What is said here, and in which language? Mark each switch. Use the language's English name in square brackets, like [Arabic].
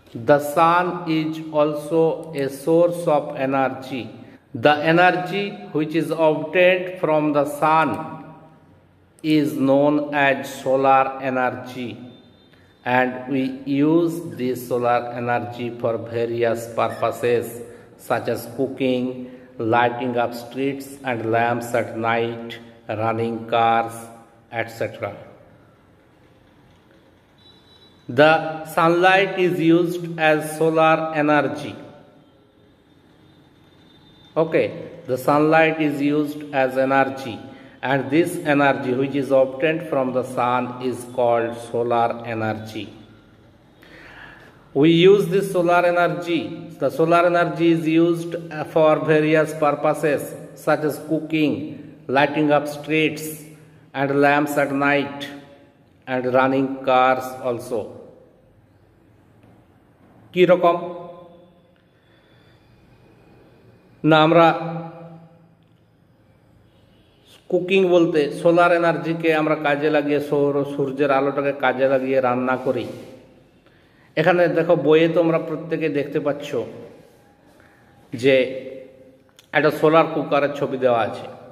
[English] The sun is also a source of energy, the energy which is obtained from the sun is known as solar energy and we use the solar energy for various purposes such as cooking, lighting up streets and lamps at night, running cars etcetera. The sunlight is used as solar energy. Okay, the sunlight is used as energy, and this energy which is obtained from the sun is called solar energy. We use this solar energy. The solar energy is used for various purposes such as cooking, lighting up streets and lamps at night, and running cars also. [Bangla] কীরকম না, আমরা cooking বলতে solar এনার্জিকে আমরা কাজে লাগিয়ে সৌর সূর্যের আলোটাকে কাজে লাগিয়ে রান্না করি। এখানে দেখো বইয়ে তোমরা প্রত্যেকে দেখতে পাচ্ছ যে একটা সোলার কুকারের ছবি দেওয়া আছে।